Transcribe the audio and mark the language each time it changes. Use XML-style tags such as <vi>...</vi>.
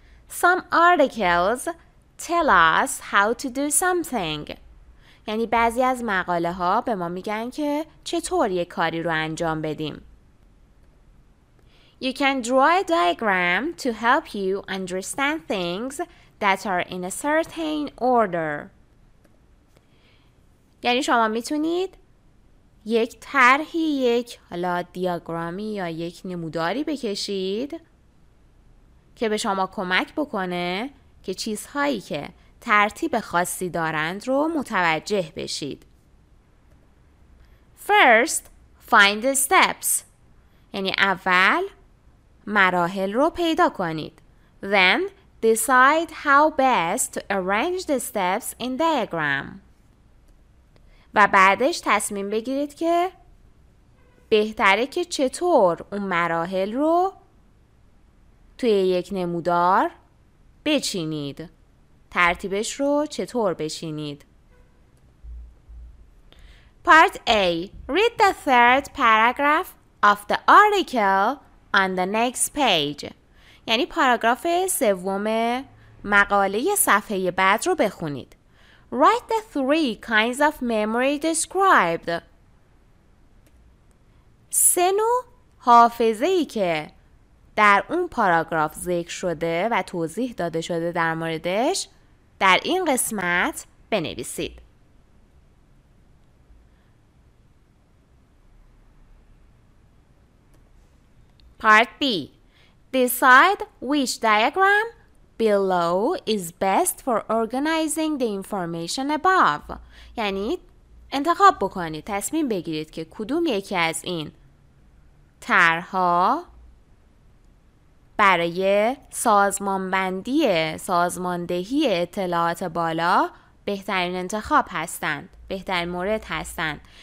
<en>Some articles tell us how to do something.</en> <fa>یعنی بعضی از مقاله ها به ما میگن که چطور یک کاری رو انجام بدیم.</fa> <en>You can draw a diagram to help you understand things that are in a certain order.</en> <fa>یعنی شما میتونید یک طرحی، یک حالا دیاگرامی یا یک نموداری بکشید که به شما کمک بکنه که چیزهایی که ترتیب خاصی دارند رو متوجه بشید.</fa> <en>First, find the steps.</en> <fa>یعنی اول مراحل رو پیدا کنید.</fa> <en>Then, decide how best to arrange the steps in diagram.</en> <fa>و بعدش تصمیم بگیرید که بهتره که چطور اون مراحل رو توی یک نمودار بچینید. ترتیبش رو چطور بچینید.</fa> <en>Part A. Read the third paragraph of the article on the next page.</en> <fa>یعنی پاراگراف سوم مقاله صفحه بعد رو بخونید.</fa> <en>Write the three kinds of memory described.</en> <fa>سه نوع حافظه‌ای که در اون پاراگراف ذکر شده و توضیح داده شده در موردش در این قسمت بنویسید.</fa> <en>Part B. Decide which diagram below is best for organizing the information above.</en> <fa>یعنی انتخاب بکنید، تصمیم بگیرید که کدوم یکی از این طرح‌ها برای سازمانبندی، سازماندهی اطلاعات بالا بهترین انتخاب هستند، بهترین مورد هستند.</fa>